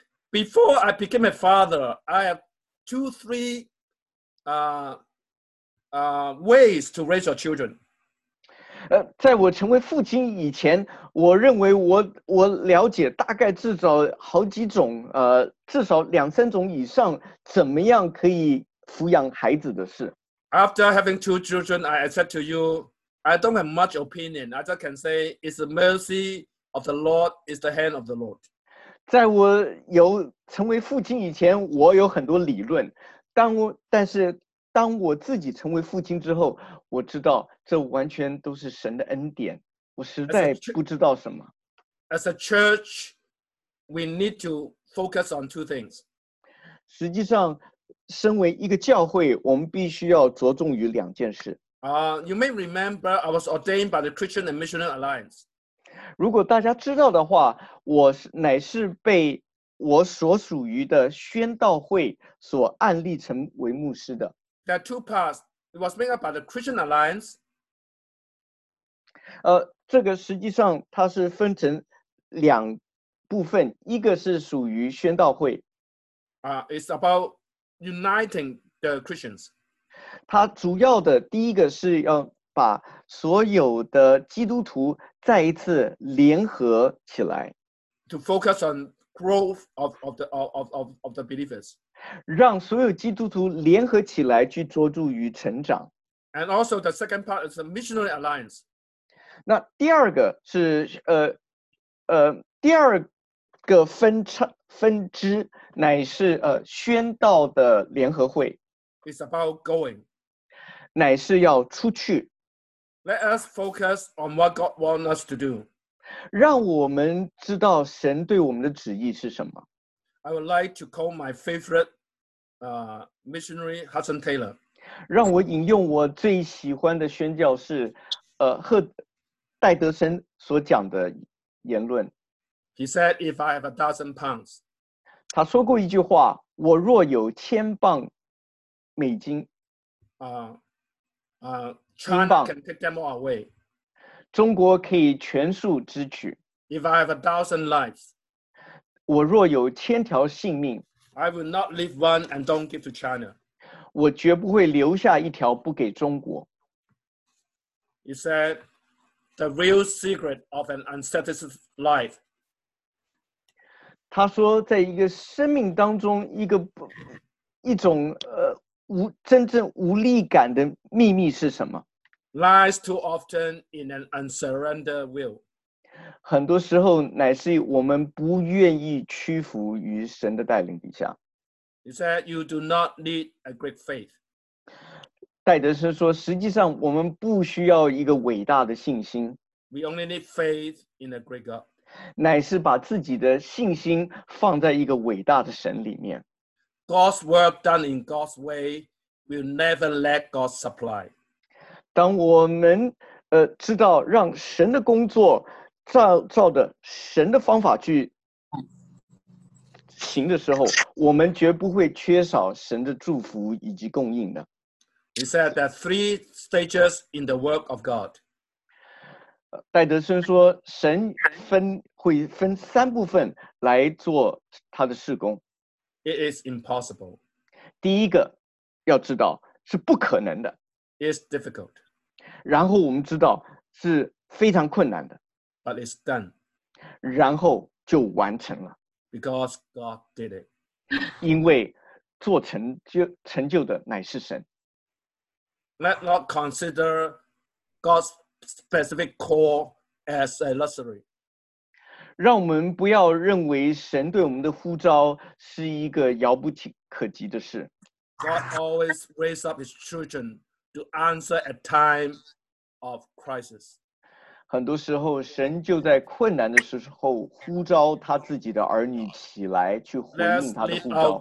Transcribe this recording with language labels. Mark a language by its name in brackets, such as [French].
[English] Before I became a father, I have two, three, ways to raise your children. [Chinese] 在我成为父亲以前，我认为我了解大概至少好几种，至少两三种以上，怎么样可以抚养孩子的事。 [English] After having two children, I said to you, I don't have much opinion. I just can say it's the mercy of the Lord, it's the hand of the Lord. [Chinese] 在我有成为父亲以前，我有很多理论，但是当我自己成为父亲之后，我知道这完全都是神的恩典，我实在不知道什么。 [English] As a church, we need to focus on two things. [Chinese] 实际上身为一个教会，我们必须要着重于两件事。 [English] You may remember I was ordained by the Christian and Missionary Alliance. [Chinese] 如果大家知道的话，我乃是被我所属于的宣道会所按立成为牧师的。 [English] There are two parts. It was made up by the Christian Alliance. [Chinese] 这个实际上它是分成两部分，一个是属于宣道会。 [English] It's about uniting the Christians. [Chinese] 它主要的第一个是要把所有的基督徒再一次联合起来。 [English] To focus on growth of the believers. [Chinese] 让所有基督徒联合起来去着助于成长。 [English] And also the second part is the missionary alliance. [Chinese] 那第二个是第二个分支乃是宣道的联合会。 [English] It's about going. [Chinese] 乃是要出去。 [English] Let us focus on what God wants us to do. [Chinese] 让我们知道神对我们的旨意是什么。 [English] I would like to call my favorite. Missionary Hudson Taylor. [Chinese] 让我引用我最喜欢的宣教士，戴德森所讲的言论。 [English] He said, "If I have a dozen pounds." [Chinese] 他说过一句话：“我若有千磅美金。” [English] China can take them all away. [Chinese] 中国可以全数支取。 [English] If I have a dozen lives. [Chinese] 我若有千条性命。 [English] I will not leave one and don't give to China. [Chinese] 我绝不会留下一条不给中国。 [English] He said, "The real secret of an unsatisfied life." [Chinese] 他说，在一个生命当中，一种真正无力感的秘密是什么？ [English] Lies too often in an unsurrendered will. [Chinese] 很多时候，乃是我们不愿意屈服于神的带领底下。 [English] He said, "You do not need a great faith." [Chinese] 戴德森说，实际上我们不需要一个伟大的信心。 [English] We only need faith in a great God. [Chinese] 乃是把自己的信心放在一个伟大的神里面。 [English] God's work done in God's way will never lack God's supply. [Chinese] 当我们知道让神的工作照着神的方法去。行的时候，我们绝不会缺少神的祝福以及供应的。 [English] He said there are three stages in the work of God. [Chinese] 戴德森说，神会分三部分来做他的事工。 [English] It is impossible. [Chinese] 第一个要知道是不可能的。 [English] It's difficult. [Chinese] 然后我们知道是非常困难的。 [English] But it's done. [Chinese] 然后就完成了。 [English] Because God did it. [Chinese] 因为做成就的乃是神。 [English] Let not consider God's specific call as a luxury. [Chinese] 让我们不要认为神对我们的呼召是一个遥不可及的事。 [English] God always raises up his children to answer a time of crisis. [Chinese] 很多时候神就在困难的时候呼召他自己的儿女起来去回应他的呼召。